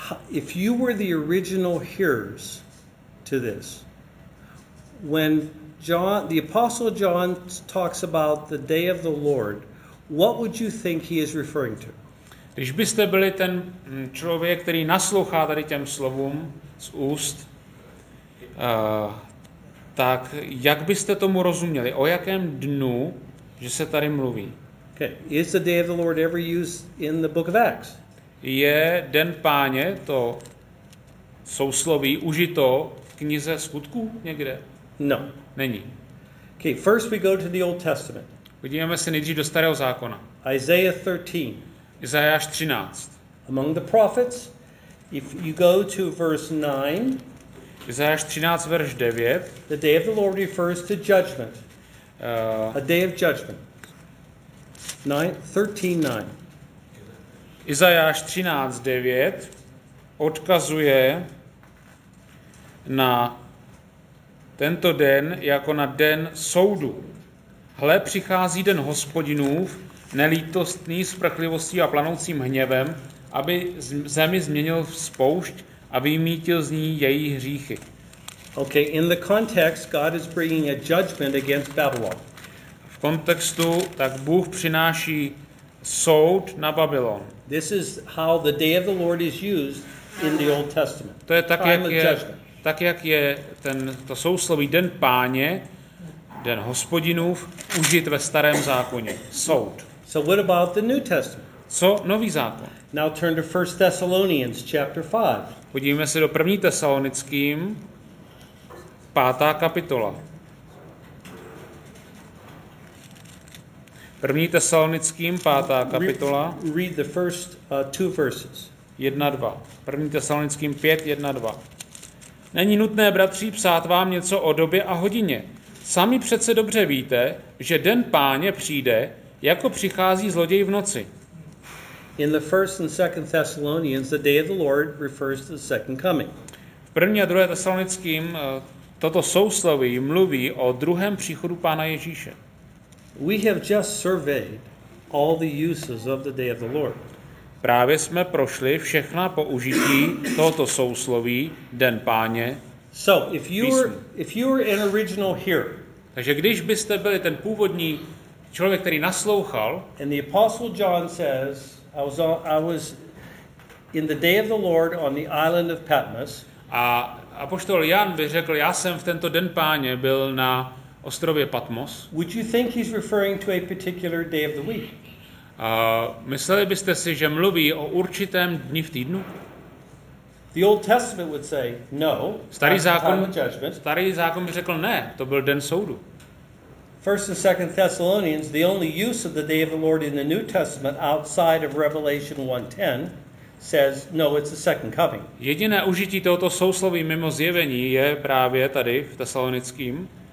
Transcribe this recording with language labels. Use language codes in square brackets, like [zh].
[en] If you were the original hearers to this, when John, the Apostle John, talks about the Day of the Lord, what would you think he is referring to? [cs] Když byste byli ten člověk, který naslouchá tady těm slovům z úst, tak jak byste tomu rozuměli? O jakém dnu, že se tady mluví? [en] Okay. Is the Day of the Lord ever used in the Book of Acts? [cs] je den Páně, to sousloví, užito v knize Skutků někde? [en] No. [cs] Není. [en] Okay, first we go to the Old Testament. [cs] Podíváme se nejdřív do Starého zákona. [en] Isaiah 13. [cs] Izajáš 13. [en] Among the prophets, if you go to verse 9, [cs] Izajáš 13, verš 9, [en] the day of the Lord refers to judgment. A day of judgment. 13:9. [cs] Izajáš 13:9 odkazuje na tento den jako na den soudu. Hle, přichází den Hospodinův, nelítostný, sprchlivostí a planoucím hněvem, aby zemi změnil spoušť a vymítil z ní její hříchy. [en] Okay, in the context, God is bringing a judgment against Babylon. [cs] V kontextu, tak Bůh přináší soud na Babylon. [en] This is how the day of the Lord is used in the Old Testament. [cs] To je tak, jak je to sousloví den Páně, den Hospodinův, užit ve Starém zákoně. Soud. [en] So what about the New Testament? [cs] Co nový zákon? [en] Now turn to 1 Thessalonians chapter 5. [cs] Podívejme se do 1. Tesalonickým, 5. kapitola. 1. Tesalonickým, 5. kapitola. [en] Read the first two verses. [cs] 1:2. 1. Tesalonickým 5:1-2. Není nutné, bratři, psát vám něco o době a hodině. Sami přece dobře víte, že den Páně přijde, jako přichází zloděj v noci. [en] In the first and second Thessalonians, the day of the Lord refers to the second coming. [cs] V 1. a 2. Tesalonickým toto sousloví mluví o druhém příchodu Pána Ježíše. [en] We have just surveyed all the uses of the day of the Lord. [cs] Právě jsme prošli všechna použití tohoto sousloví den Páně. [en] So, if you were an original hearer. [cs] Takže když byste byli ten původní člověk, který naslouchal, [en] and the apostle John says, I was in the day of the Lord on the island of Patmos. [cs] A apoštol Jan by řekl, já jsem v tento den Páně byl na ostrově Patmos. [en] Would you think he's referring to a particular day of the week? [cs] Mysleli byste si, že mluví o určitém dni v týdnu? [en] The Old Testament would say no. [cs] Starý zákon by řekl ne, to byl den soudu. [en] First and Second Thessalonians, the only use of the day of the Lord in the New Testament outside of Revelation 1:10 says no, it's the second coming. [cs] Jediné užití tohoto sousloví mimo zjevení je právě tady v Tesalonickém.